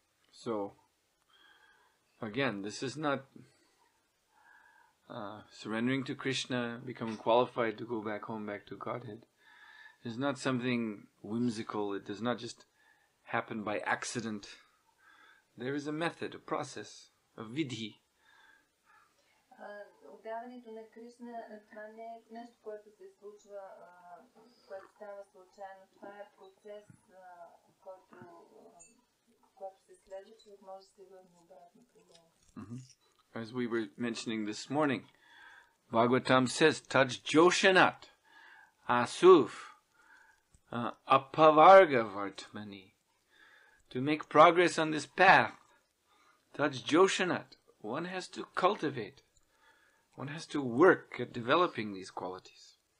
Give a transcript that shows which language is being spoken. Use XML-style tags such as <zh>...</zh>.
<en>So, again, this is not surrendering to Krishna, becoming qualified to go back home, back to Godhead, is not something whimsical. It does not just happen by accident. There is a method, a process, a vidhi.</en> <bg>Отдаването на Кришна, това не е нещо, което се случва, което става случайно. Това е процес, който се следва, човек може да се върне обратно при Бога.</bg> <en>As we were mentioning this morning, Bhagavatam says, Taj Joshanat Asuf Apavarga Vartmani. To make progress on this path, Taj Joshanat, one has to cultivate, one has to work at developing these qualities.</en>